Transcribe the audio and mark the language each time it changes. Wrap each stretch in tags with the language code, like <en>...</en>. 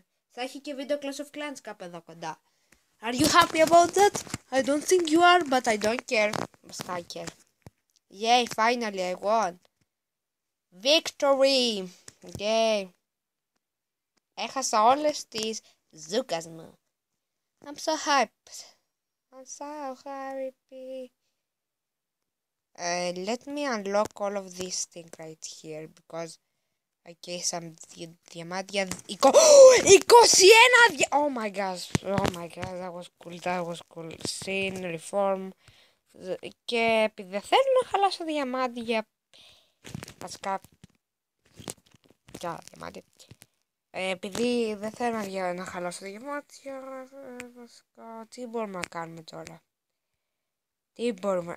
<el>Θα έχει και βίντεο Clash of Clans κάπου εδώ κοντά.</el> <en>Are you happy about that? I don't think you are, but I don't care. Must I care. Yay, finally I won. Victory! Okay.</en> <el>Έχασα όλες τις ζούκας μου.</el> <en>I'm so hyped. I'm so happy. Let me unlock all of this thing right here, because... Okay, some diamantia... 21! Oh my gosh, oh my gosh, that was cool. Scene, reform...</en> <el>Και επειδή δεν θέλω να χαλάσω διαμάντια... Βασικά... Κι άλλα διαμάντια... Επειδή δεν θέλω να χαλάσω διαμάντια... Βασικά, τι μπορούμε να κάνουμε τώρα... Τι μπορούμε...</el>